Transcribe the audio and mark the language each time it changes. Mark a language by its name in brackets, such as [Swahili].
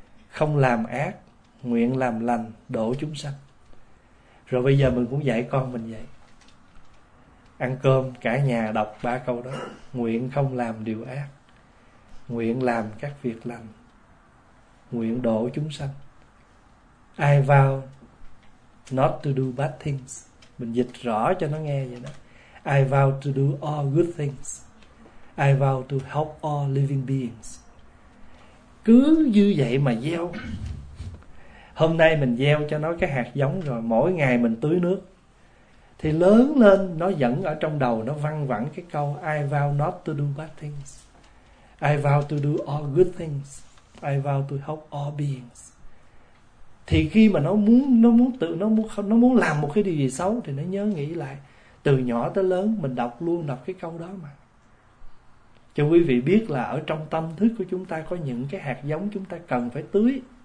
[Vietnamese] Không làm ác, nguyện làm lành, độ chúng sanh. Rồi bây giờ mình cũng dạy con mình vậy. Ăn cơm cả nhà đọc 3 câu đó. Nguyện không làm điều ác, nguyện làm các việc lành, nguyện độ chúng sanh. [English] I vow not to do bad things. [Vietnamese] Mình dịch rõ cho nó nghe vậy đó. [English] I vow to do all good things. I vow to help all living beings. [Vietnamese] Cứ như vậy mà gieo. Hôm nay mình gieo cho nó cái hạt giống rồi, mỗi ngày mình tưới nước thì lớn lên nó vẫn ở trong đầu, nó văng vẳng cái câu [English] I vow not to do bad things. I vow to do all good things. I vow to help all beings. [Vietnamese] Thì khi mà nó muốn làm một cái điều gì xấu thì nó nhớ nghĩ lại. Từ nhỏ tới lớn mình đọc luôn đọc cái câu đó mà. Cho quý vị biết là ở trong tâm thức của chúng ta có những cái hạt giống chúng ta cần phải tưới.